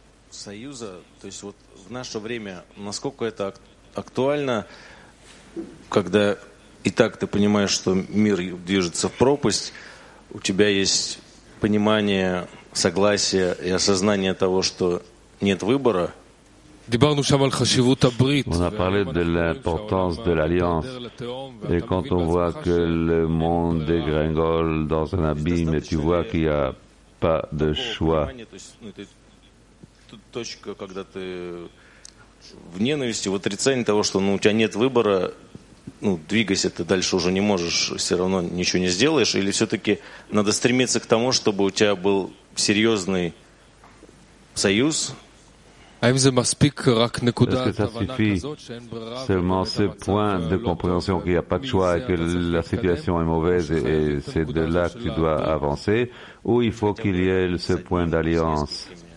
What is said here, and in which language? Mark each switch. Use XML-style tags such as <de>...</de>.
<ru>Союза, то есть вот в наше время, насколько это актуально, когда и так ты понимаешь, что мир движется в пропасть, у тебя есть понимание, согласие и осознание того, что нет выбора.</ru> <fr>On a parlé de l'importance de l'alliance. Et quand on voit que le monde dégringole dans un abîme et tu vois qu'il n'y a pas de choix.</fr> <ru>В ненависти, в отрицании того, что у тебя нет выбора, двигайся ты дальше уже не можешь, все равно ничего не сделаешь. Или все-таки надо стремиться к тому, чтобы у тебя был серьезный союз.</ru> <fr>Est-ce que ça suffit seulement ce point de compréhension qu'il n'y a pas de choix et que la situation est mauvaise et c'est de là que tu dois avancer, ou il faut qu'il y ait ce point d'alliance?</fr>